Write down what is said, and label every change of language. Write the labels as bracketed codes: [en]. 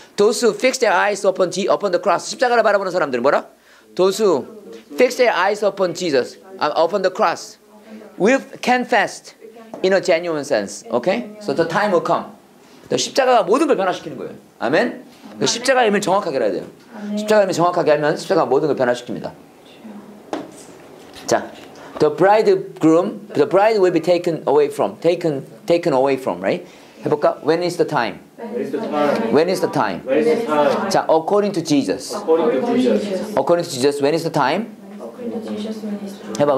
[en] Those who fix their eyes upon the cross. [ko] 십자가를 바라보는 사람들은 뭐라? [en] Those who fix their eyes upon Jesus. Upon the cross. We can fast. In a genuine sense. Okay? So the time will come. [ko] 십자가가 모든 걸 변화시키는 거예요. 아멘? 아멘. 십자가의 의미를 정확하게 알아야 돼요. 아멘. 십자가의 의미를 정확하게 알면 십자가가 모든 걸 변화시킵니다. [en] 자, the bridegroom, the bride will be taken away from, taken away from, right? [ko] 해볼까? [en] When is the time? When is the time? When is the time? When is the time? 자, according to Jesus. According to Jesus. When is the time? When is the time?